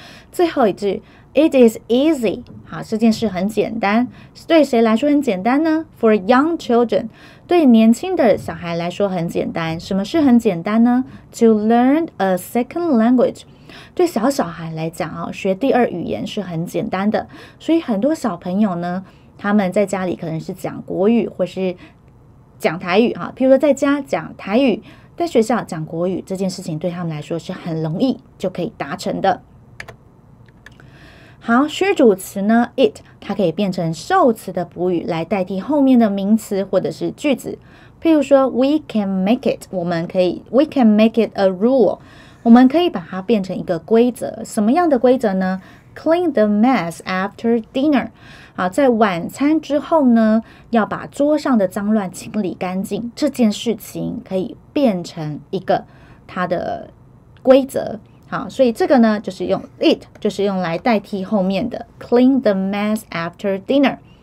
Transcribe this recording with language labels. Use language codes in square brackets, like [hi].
[zh] 最后一句 [en] It is easy [zh] 好这件事很简单对谁来说很简单呢 [en] For young children [zh] 对年轻的小孩来说很简单什么是很简单呢 [en] To learn a second language [zh] 对小小孩来讲、哦、学第二语言是很简单的所以很多小朋友呢他们在家里可能是讲国语或是讲台语哈，譬如说在家讲台语，在学校讲国语，这件事情对他们来说是很容易就可以达成的。好，虚主词呢 ，it 它可以变成受词的补语来代替后面的名词或者是句子。譬如说 ， [en] we can make it， [zh] 我们可以 ， [en] we can make it a rule， [zh] 我们可以把它变成一个规则。什么样的规则呢 ？ [en] Clean the mess after dinner。 [zh] 好在晚餐之后呢要把桌上的脏乱清理干净这件事情可以变成一个它的规则好所以这个呢就是用 it 就是用来代替后面的 [en] clean the mess after dinner